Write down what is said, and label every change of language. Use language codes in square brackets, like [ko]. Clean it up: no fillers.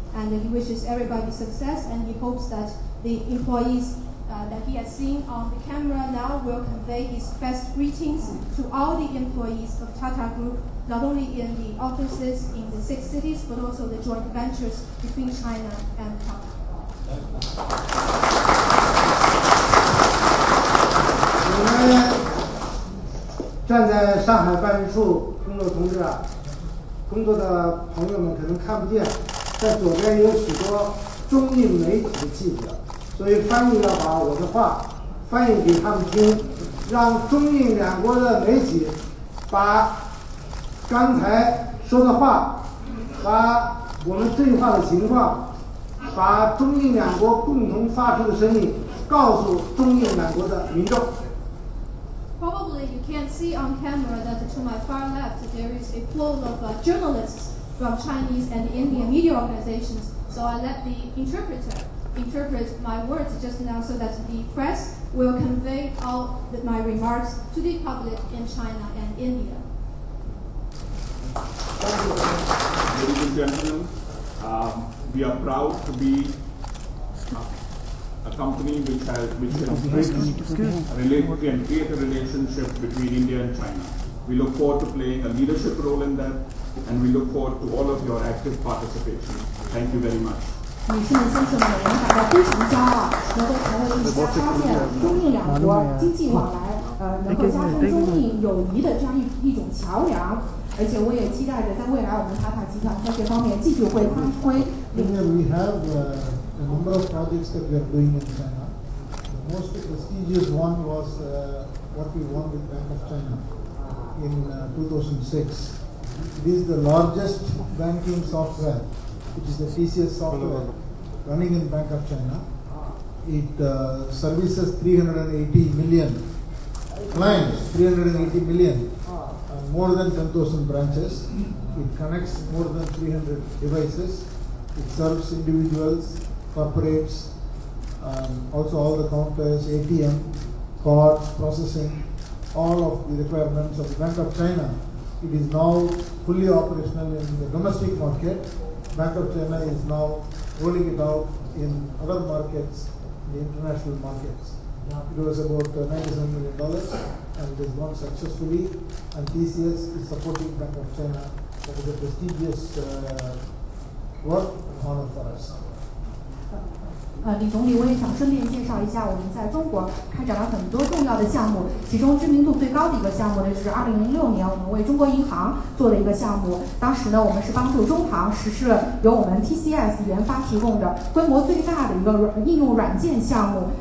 [en] And he wishes everybody success, and he hopes that the employees that he has seen on the camera now will convey his best greetings to all the employees of Tata Group, not only in the offices in the six cities, but also the joint ventures between China and Tata. [zh] 我们站在上海办事处工作同志啊，工作的朋友们可能看不见，在左边有许多中印媒体的记者，所以翻译的话，我的话翻译给他们听，让中印两国的媒体把刚才说的话，把我们对话的情况，把中印两国共同发出的声音告诉中印两国的民众。 [en] Probably you can't see on camera that to my far left there is a flow of journalists from Chinese and Indian media organizations. So I let the interpreter interpret my words just now so that the press will convey all my remarks to the public in China and India. Thank you. Ladies and gentlemen, we are proud to be a company which can create a relationship between India and China. We look forward to playing a leadership role in that, and we look forward to all of your active participation. Thank you very much. [zh] 女士们、先生们，我们感到非常骄傲，能够成为一家发现中印两国经济往来，能够加深中印友谊的这样一种桥梁。而且我也期待着，在未来我们塔塔集团在这方面继续会发挥。 [en] We have a number of projects that we are doing in China. The most prestigious one was what we won with Bank of China in 2006. It is the largest banking software. Which is the TCS software running in Bank of China. It services 380 million clients, 380 million, more than 10,000 branches. It connects more than 300 devices. It serves individuals, corporates, also all the counters, ATM, cards, processing, all of the requirements of Bank of China. It is now fully operational in the domestic market. Bank of China is now rolling it out in other markets, in the international markets. Yeah. It was about $97 million and it has gone successfully, and TCS is supporting Bank of China. That is a prestigious work and honor for us. [zh] 李总理，我也想顺便介绍一下我们在中国开展了很多重要的项目，其中知名度最高的一个项目呢，就是2006年我们为中国银行做的一个项目。当时呢，我们是帮助中行实施了由我们 TCS 研发提供的规模最大的一个应用软件项目。